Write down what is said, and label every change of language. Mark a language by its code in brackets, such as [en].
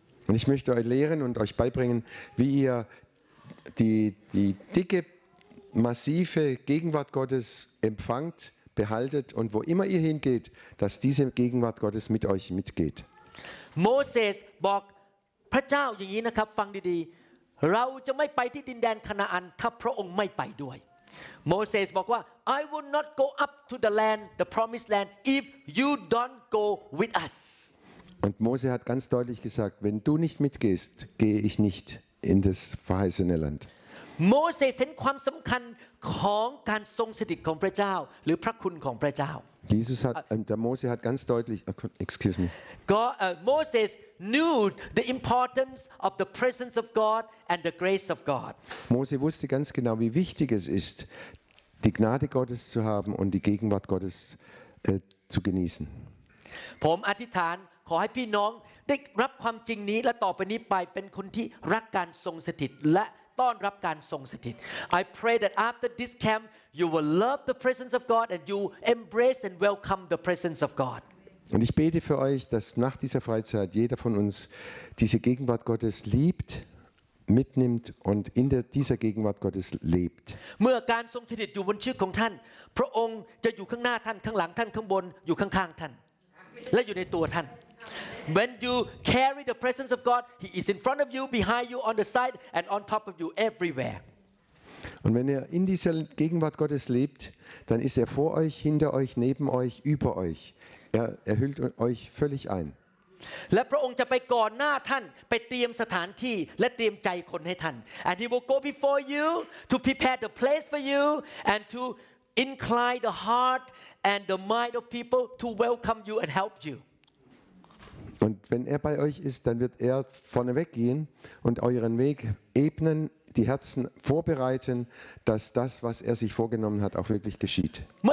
[de] Und ich möchte euch lehren und euch beibringen wie ihr die dicke massive Gegenwart Gottes empfangt behaltet und wo immer ihr hingeht dass diese Gegenwart Gottes mit euch mitgeht [th] Moses บอกพระเจ้าอย่างนี้นะครับฟังดีๆเราจะไม่ไปที่ดินแดนคานาอันถ้าพระองค์ไม่ไปด้วย Moses บอกว่า [en] I will not go up to the land the promised land if you don't go with us [de] Und Mose hat ganz deutlich gesagt wenn du nicht mitgehst gehe ich nicht in das verheißene Land [th] Moses เห็นความสำคัญของการทรงสถิตของพระเจ้าหรือพระคุณของพระเจ้า [de] Jesus hat der Mose hat ganz deutlich [en] excuse me Moses knew the importance of the presence of God and the grace of God [de] Mose wusste ganz genau wie wichtig es ist die Gnade Gottes zu haben und die Gegenwart Gottes zu genießen [th] ผมอธิษฐานขอให้พี่น้องได้รับความจริงนี้และต่อไปนี้ไปเป็นคนที่รักการทรงสถิตและต้อนรับการทรงสถิต [en] I pray that after this camp you will love the presence of God [th] and you embrace and welcome the presence of God [de] Und ich bete für euch dass nach dieser Freizeit jeder von uns diese Gegenwart Gottes liebt mitnimmt und in dieser Gegenwart Gottes lebt [th] เมื่อการทรงสถิตอยู่บนชีวิตของท่านพระองค์จะอยู่ข้างหน้าท่านข้างหลังท่านข้างบนอยู่ข้างๆท่านและอยู่ในตัวท่าน [en] When you carry the presence of God, He is in front of you, behind you, on the side, and on top of you, everywhere. [de] Und wenn in dieser Gegenwart Gottes lebt, dann ist vor euch, hinter euch, neben euch, über euch. Hüllt euch völlig ein. [th] และพระองค์จะไปก่อนหน้าท่านไปเตรียมสถานที่และเตรียมใจคนให้ท่าน [en] And He will go before you to prepare the place for you and to incline the heart and the mind of people to welcome you and help you. [de] Und wenn bei euch ist, dann wird vorne weggehen und euren Weg ebnen, die Herzen vorbereiten, dass das, was sich vorgenommen hat, auch wirklich geschieht.